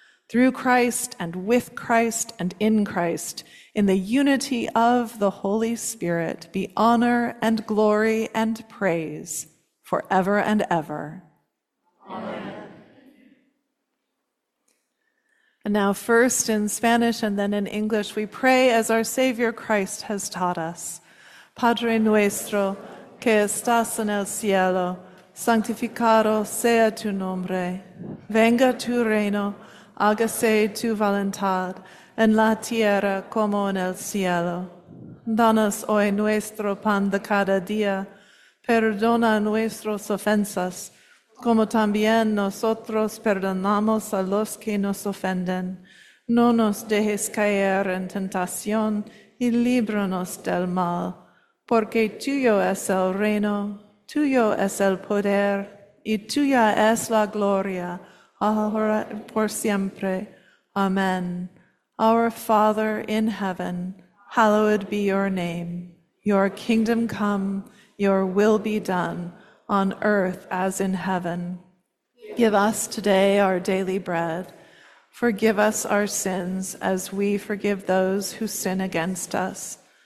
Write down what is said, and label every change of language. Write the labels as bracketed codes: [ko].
[en] Through Christ and with Christ and in Christ, in the unity of the Holy Spirit, be honor and glory and praise forever and ever. Amen. And now first in Spanish and then in English, we pray as our Savior Christ has taught us. [es] Padre nuestro, que estás en el cielo, santificado sea tu nombre, venga tu reino, hágase tu voluntad, en la tierra como en el cielo. Danos hoy nuestro pan de cada día. Perdona nuestras ofensas, como también nosotros perdonamos a los que nos ofenden. No nos dejes caer en tentación y líbranos del mal. Porque tuyo es el reino, tuyo es el poder, y tuya es la gloria, ahora y por siempre. Amén. [en] Our Father in heaven, hallowed be your name. Your kingdom come, your will be done, on earth as in heaven. Give us today our daily bread. Forgive us our sins as we forgive those who sin against us.